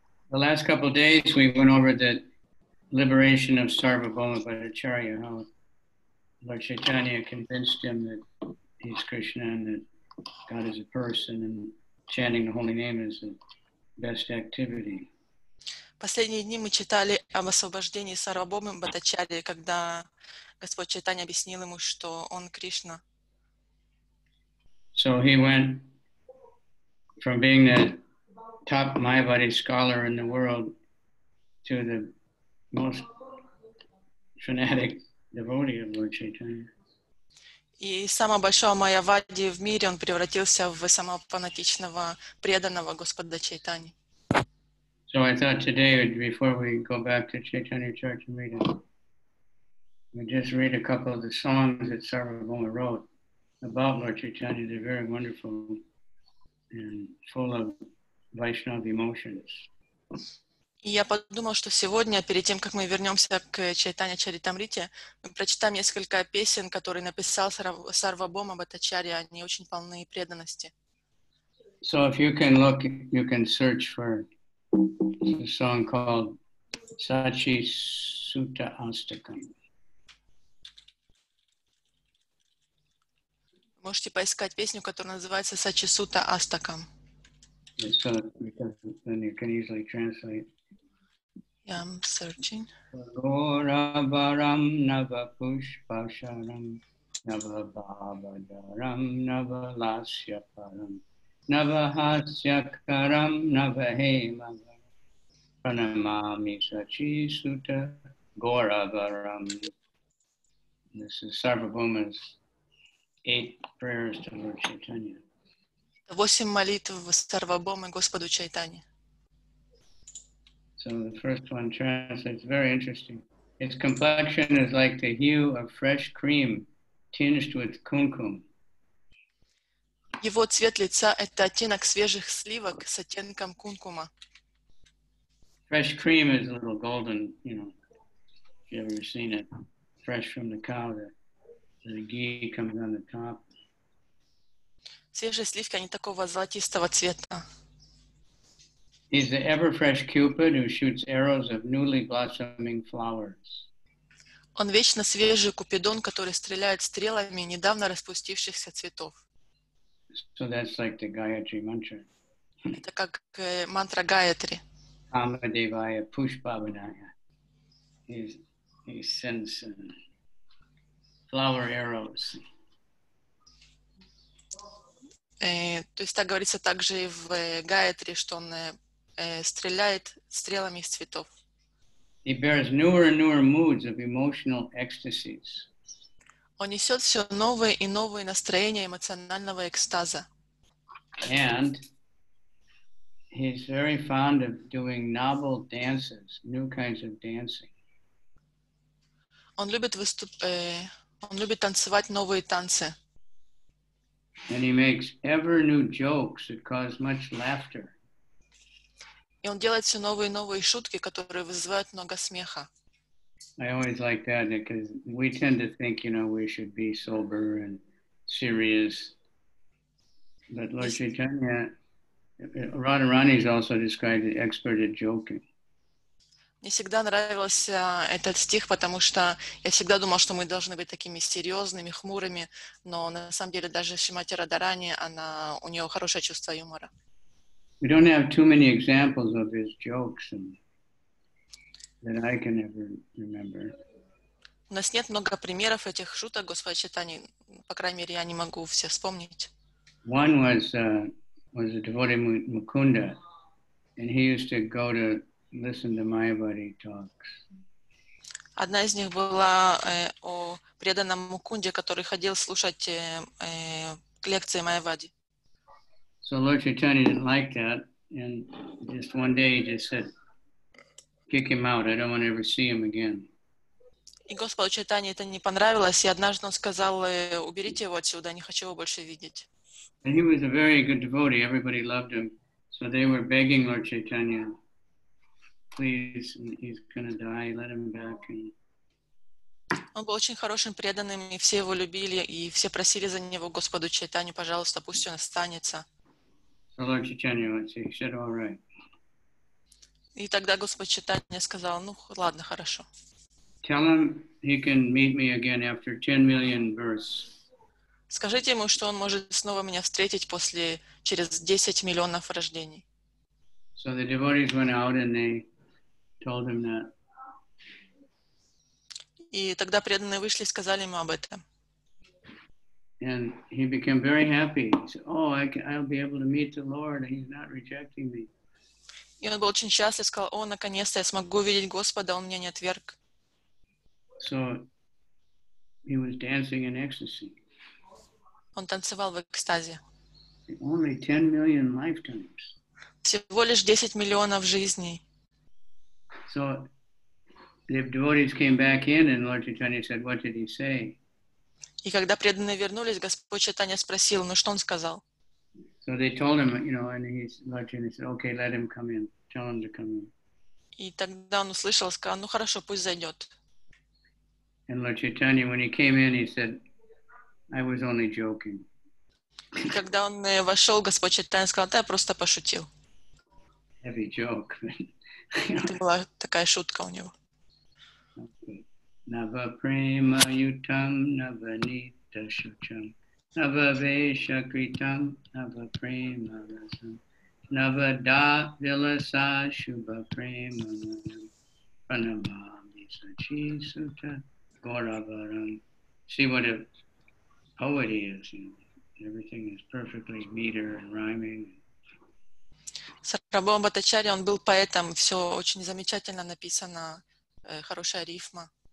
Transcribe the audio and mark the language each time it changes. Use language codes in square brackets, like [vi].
[en] The last couple of days we went over the liberation of Sarvabhauma Bhattacharya, how Lord Chaitanya convinced him that he's Krishna and that God is a person and chanting the holy name is the best activity. [ru] Последние дни мы читали об освобождении Сарвабхаумы Бхаттачарьи, когда Господь Чайтанья объяснил ему, что он Кришна. [en] So he went from being the top Mayavadi scholar in the world to the most fanatic devotee of Lord Chaitanya. [ru] И самого большого Майявади в мире он превратился в самого фанатичного преданного Господа Чайтани. [en] So I thought today, before we go back to Chaitanya Charitamrita, we just read a couple of the songs that Sarvabhauma wrote about Lord Chaitanya. They're very wonderful and full of Vaishnava emotions. [ru] Я подумал, что сегодня, перед тем, как мы вернемся к Чайтанья Чаритамрите, мы прочитаем несколько песен, которые написал Сарвабхаума Бхаттачарья. Они очень полны преданности. [en] So if you can look, you can search for a song called Sachi Sutta Astakam. [ru] Можете поискать песню, которая называется Сачи Сута Астакам. [en] Yes, so then you can easily translate. Yeah, I'm searching. [sa] Sarovaram nava pushpasharam nava bhavadaram nava lasyaparam nava hasyakaram nava hemagaram pranamami sachi sutta gauravaram. [en] This is Sarvabhauma's eight prayers to Lord Chaitanya. [ru] Восемь молитв Сарвабхаумы Господу Чайтани. [en] So the first one translates very interesting. Its complexion is like the hue of fresh cream tinged with kumkum. [ru] Его цвет лица – это оттенок свежих сливок с оттенком кумкума. [en] Fresh cream is a little golden, you know, if you've ever seen it. Fresh from the cow, the ghee comes on the top. [ru] Свежие сливки, они такого золотистого цвета. [en] He's the ever-fresh cupid who shoots arrows of newly blossoming flowers. [ru] Он вечно свежий купидон, который стреляет стрелами недавно распустившихся цветов. [en] So that's like the Gayatri mantra. [ru] Это как мантра Гаятри. [sa] Камадевая пушпабадая. [en] He sends flower arrows. [ru] То есть так говорится также и в Гаятри, что он стреляет стрелами из цветов. [en] He bears newer and newer moods of emotional ecstasies. [ru] Он несет все новые и новые настроения эмоционального экстаза. [en] And he's very fond of doing novel dances, new kinds of dancing. [ru] Он любит танцевать новые танцы. [en] And he makes ever new jokes that cause much laughter. [ru] И он делает все новые и новые шутки, которые вызывают много смеха. [en] I always like that because we tend to think, you know, we should be sober and serious. But Lord Chaitanya, Radharani is also described as expert at joking. [ru] Мне всегда нравился этот стих, потому что я всегда думал, что мы должны быть такими серьезными, хмурыми, но на самом деле даже Шримати Радхарани, у нее хорошее чувство юмора. [en] We don't have too many examples of his jokes and, that I can ever remember. [ru] У нас нет много примеров этих шуток Господа Чайтаньи, по крайней мере, я не могу все вспомнить. [en] One was a devotee Mukunda, and he used to go to listen to Mayavadi talks. [ru] Одна из них была о преданном Мукунде, который ходил слушать лекции Майявади. [en] So Lord Chaitanya didn't like that, and just one day he just said, "Kick him out. I don't want to ever see him again." [ru] И Господу Чайтанье это не понравилось, и однажды он сказал: "Уберите его отсюда, не хочу его больше видеть." [en] And he was a very good devotee. Everybody loved him, so they were begging Lord Chaitanya. Please, he's gonna die. Let him back. [ru] Он был очень хорошим преданным, и все его любили, и все просили за него Господу Чайтанью, пожалуйста, пусть он останется. [en] So Lord Chaitanya, he said, "All right." [ru] И тогда Господь Чайтанья сказал: "Ну, ладно, хорошо." [en] Tell him he can meet me again after 10 million births. [ru] Скажите ему, что он может снова меня встретить после через 10 миллионов рождений. [en] So the devotees went out and they told him that. [ru] И тогда преданные вышли и сказали ему об этом. [en] And he became very happy. He said, "Oh, I'll be able to meet the Lord, and He's not rejecting me." [ru] И он был очень счастлив, сказал: "О, наконец-то я смогу видеть Господа, Он меня не отверг." [en] So he was dancing in ecstasy. [ru] Он танцевал в экстазе. [en] Only 10 million lifetimes. [ru] Всего лишь 10 миллионов жизней. [en] So the devotees came back in, and Lord Chaitanya said, "What did he say?" [ru] И когда преданные вернулись, Господь Чайтанья спросил: "Ну что он сказал?" [en] So they told him, you know, and Lord Chaitanya said, "Okay, let him come in. Tell him to come in." [ru] И тогда он услышал, сказал: "Ну хорошо, пусть зайдет." [en] And Lord Chaitanya, when he came in, he said, "I was only joking." [ru] И когда он вошел, Господь Чайтанья сказал: "Да, я просто пошутил." [en] Heavy joke. [ru] Это была такая шутка у него. [sa] Нава према ютам, нава нита шучам, нава веша критам, нава према расам, нава да виласа шуба према нам, пранамами сачи сута горабарам. [en] See what a poet he is. You know, everything is perfectly meter and rhyming. [ru] Сарабхава Бхаттачарья, он был поэтом, все очень замечательно написано, хорошая рифма.